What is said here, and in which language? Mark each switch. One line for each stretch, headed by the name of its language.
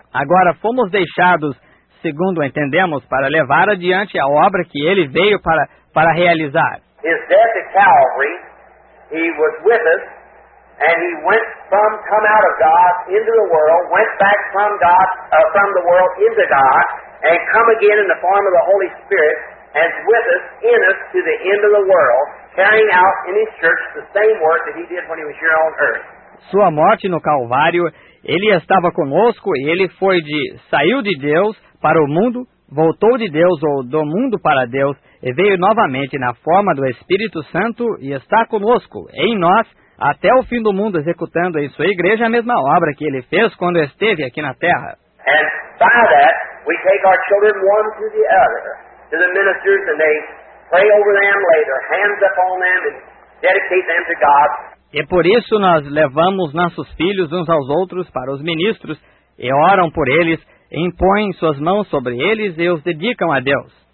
Portuguese: Agora, fomos deixados, segundo entendemos, para levar adiante a obra que ele veio para realizar.
English: His death at Calvary, he was with us, and he went from come out of God into the world, went back from God from the world into God, and come again in the form of the Holy Spirit, and with us, in us, to the end of the world, carrying out in his church the same work that he did when he was here on earth.
Portuguese: Sua morte no Calvário, ele estava conosco, e ele foi de saiu de Deus para o mundo, voltou de Deus ou do mundo para Deus e veio novamente na forma do Espírito Santo e está conosco, em nós, até o fim do mundo, executando em sua igreja a mesma obra que ele fez quando esteve aqui na terra.
English: And by that, we take our children one to the other, to the ministers, and they pray over them, lay their hands upon them, and dedicate them to God.
Portuguese: E por isso nós levamos nossos filhos uns aos outros para os ministros e oram por eles, impõem suas mãos sobre eles e os dedicam a Deus.